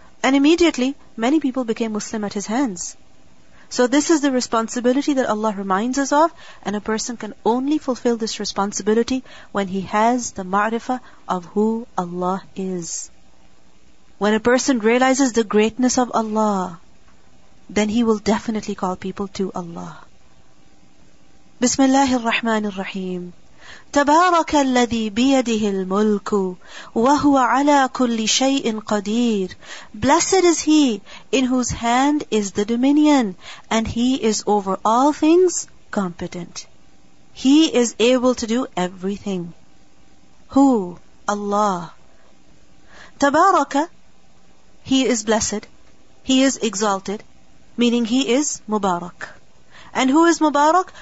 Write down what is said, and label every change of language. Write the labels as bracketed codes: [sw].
[en] And immediately, many people became Muslim at his hands. So this is the responsibility that Allah reminds us of, and a person can only fulfill this responsibility when he has the ma'rifah of who Allah is. When a person realizes the greatness of Allah, then he will definitely call people to Allah. [ar] Bismillah ar-Rahman ar-Rahim. تبارك الذي بيده الملك وهو على كل شيء قدير. [en] Blessed is he in whose hand is the dominion, and he is over all things competent. He is able to do everything. Who? Allah. تبارك, he is blessed, he is exalted, meaning he is مبارك. And who is مبارك?